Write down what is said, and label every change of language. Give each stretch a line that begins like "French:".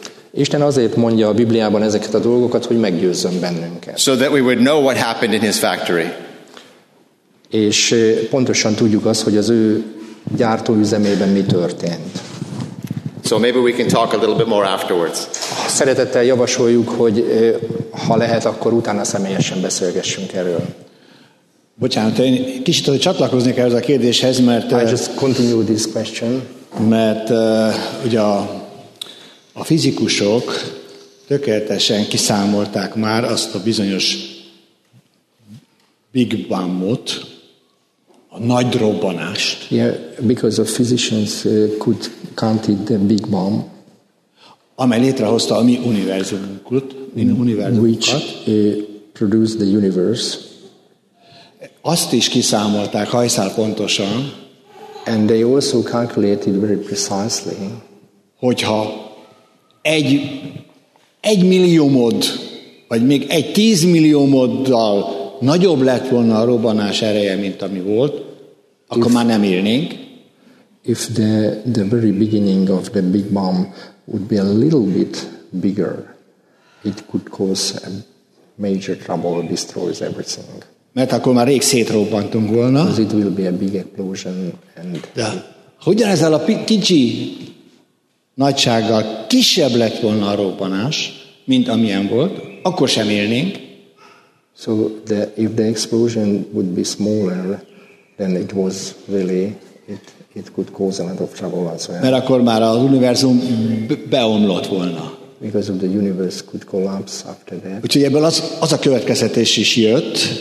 Hungarian: Isten azért mondja a Bibliában ezeket a dolgokat, hogy meggyőzzön bennünket.
English: So that we would know what happened in his factory.
Hungarian: És pontosan tudjuk azt, hogy az ő gyártóüzemében mi történt.
English: So maybe we can talk a little bit more afterwards.
Hungarian: Szeretettel javasoljuk, hogy ha lehet, akkor utána személyesen beszélgessünk erről. Bocsánat, én kicsit csatlakoznék ehhez a kérdéshez, mert
English: I just continue this question.
Hungarian: Mert ugye a fizikusok tökéletesen kiszámolták már azt a bizonyos Big Bang-ot, a nagy robbanást.
English: Yeah, because the physicians could count it the Big Bang.
Hungarian: Amely létrehozta a mi univerzumunkat.
English: Which produced the universe.
Hungarian: Azt is kiszámolták hajszál pontosan.
English: And they also calculated very precisely.
Hungarian: Hogyha egy milliómod, vagy még egy tízmilliómoddal nagyobb lett volna a robbanás ereje, mint ami volt, akkor már nem élnénk.
English: If the very beginning of the Big Bang would be a little bit bigger, it could cause a major trouble, destroys everything.
Hungarian: Mert akkor már rég szétrobbantunk volna.
English: Because it will be a big explosion.
Hungarian: De hogyan ezzel a kicsi nagysággal kisebb lett volna a robbanás, mint amilyen volt, akkor sem élnénk.
English: So if the explosion would be smaller than it was really, it could cause a lot of trouble as well.
Hungarian: Mert akkor már az univerzum beomlott volna.
English: Because of the universe could collapse after that.
Hungarian: Úgyhogy ebből az a következtetés is jött.